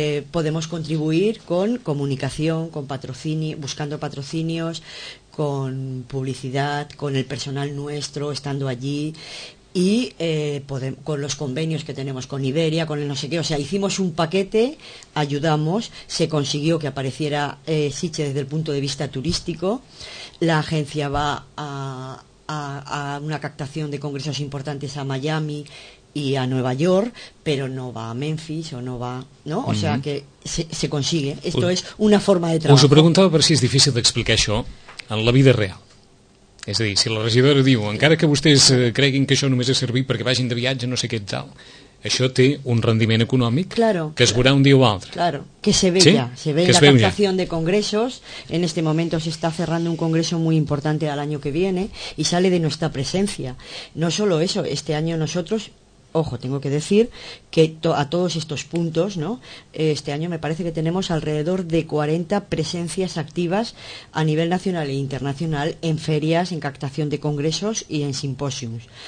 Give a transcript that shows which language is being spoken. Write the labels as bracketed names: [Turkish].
[Spanish] Podemos contribuir con comunicación, con patrocinio, buscando patrocinios, con publicidad, con el personal nuestro estando allí, y con los convenios que tenemos con Iberia, con el no sé qué. O sea, hicimos un paquete, ayudamos, se consiguió que apareciera Siche desde el punto de vista turístico, la agencia va a una captación de congresos importantes a Miami y a Nueva York, pero no va a Memphis o no va, ¿no? O sea que se consigue, esto es una forma de trabajo. [Catalan] Us ho preguntava per si és difícil d'explicar això en la vida real. És a dir, si la regidora diu, encara que vostès creguin que això només és servir perquè vagin de viatge, no sé què tal, això té un rendiment econòmic que es veurà un dia o altre. [Spanish] Claro, que se ve, sí? Ya, se ve que la se captación de congresos. En este momento se está cerrando un congreso muy importante al año que viene y sale de nuestra presencia. No solo eso, este año nosotros, ojo, tengo que decir que a todos estos puntos, ¿no? Este año me parece que tenemos alrededor de 40 presencias activas a nivel nacional e internacional en ferias, en captación de congresos y en simposiums.